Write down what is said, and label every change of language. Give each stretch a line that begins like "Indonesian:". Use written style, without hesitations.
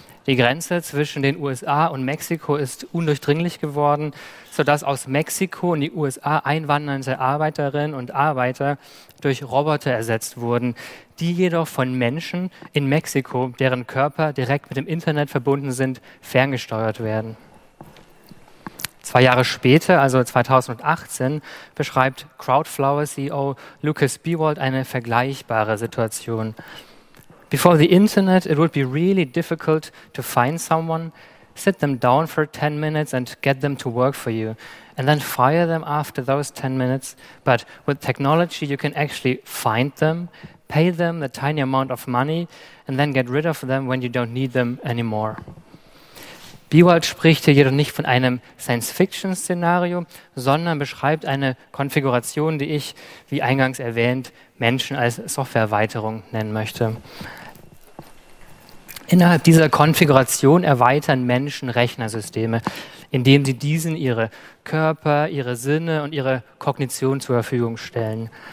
German: Die Grenze zwischen den USA und Mexiko ist undurchdringlich geworden, sodass aus Mexiko in die USA einwandernde Arbeiterinnen und Arbeiter durch Roboter ersetzt wurden, die jedoch von Menschen in Mexiko, deren Körper direkt mit dem Internet verbunden sind, ferngesteuert werden. 2 Jahre später, also 2018, beschreibt Crowdflower-CEO Lucas Biewald eine vergleichbare Situation.
English: Before the internet, it would be really difficult to find someone, sit them down for 10 minutes and get them to work for you, and then fire them after those 10 minutes. But with technology, you can actually find them, pay them the tiny amount of money, and then get rid of them when you don't need them anymore.
German: Biewald spricht hier jedoch nicht von einem Science-Fiction-Szenario, sondern beschreibt eine Konfiguration, die ich, wie eingangs erwähnt, Menschen als Software-Erweiterung nennen möchte. Innerhalb dieser Konfiguration erweitern Menschen Rechnersysteme, indem sie diesen ihre Körper, ihre Sinne und ihre Kognition zur Verfügung stellen.